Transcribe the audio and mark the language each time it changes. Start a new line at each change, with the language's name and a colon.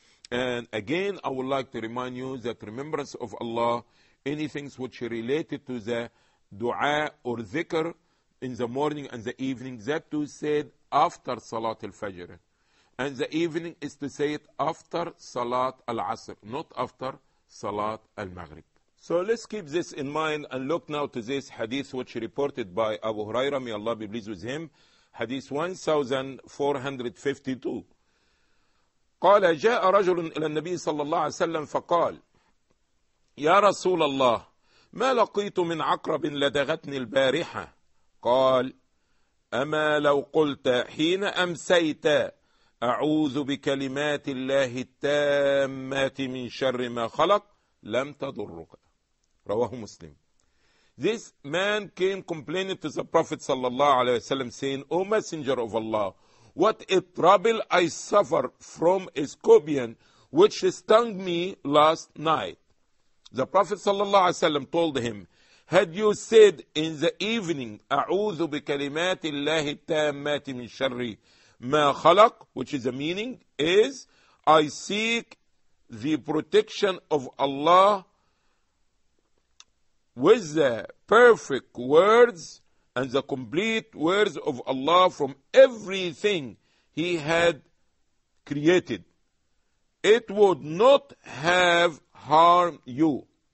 English: And again, I would like to remind you that remembrance of Allah, anything which related to the dua or dhikr in the morning and the evening, that to said after Salat al-Fajr. And the evening is to say it after Salat al-Asr, not after Salat al-Maghrib. So let's keep this in mind and look now to this hadith which reported by Abu Huraira, may Allah be pleased with him. Hadith 1452.
Arabic: قال جاء رجل إلى النبي صلى الله عليه وسلم فقال يا رسول الله ما لقيت من عقرب لدغتني البارحة قال أما لو قلت حين أمسيت أعوذ بكلمات الله التامات من شر ما خلق لم تضرك رواه مسلم.
English: This man came complaining to the Prophet sallallahu alaihi wasallam saying, O Messenger of Allah, what a trouble I suffer from a scorpion which stung me last night. The Prophet sallallahu alaihi wasallam told him, Had you said in the evening,
Arabic: أعوذ بكلمات الله التامات من شر ما خلق,
English: which is the meaning is, I seek the protection of Allah with the perfect words and the complete words of Allah from everything He had created, it would not have harmed you.